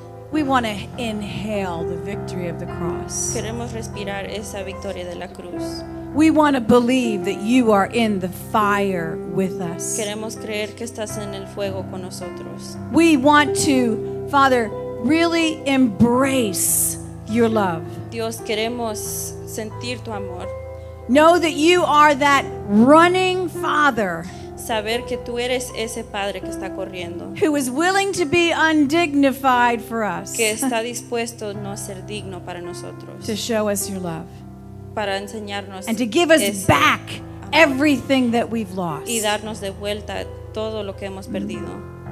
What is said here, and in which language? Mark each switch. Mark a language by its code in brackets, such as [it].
[en] We want to inhale the victory of the cross. [es] Queremos respirar esa victoria de la cruz. [en] We want to believe that you are in the fire with us. [es] Queremos creer que estás en el fuego con nosotros. [en] We want to, Father, really embrace your love. [es] Dios, queremos sentir tu amor. [en] Know that you are that running Father. [es] Saber que tú eres ese padre que está corriendo. [en] Who is willing to be undignified for us. [es] Que está dispuesto no ser digno para nosotros. [en] To show us your love. [es] Para enseñarnos [en] and to give us back everything that we've lost. [es] Y darnos de vuelta todo lo que hemos perdido.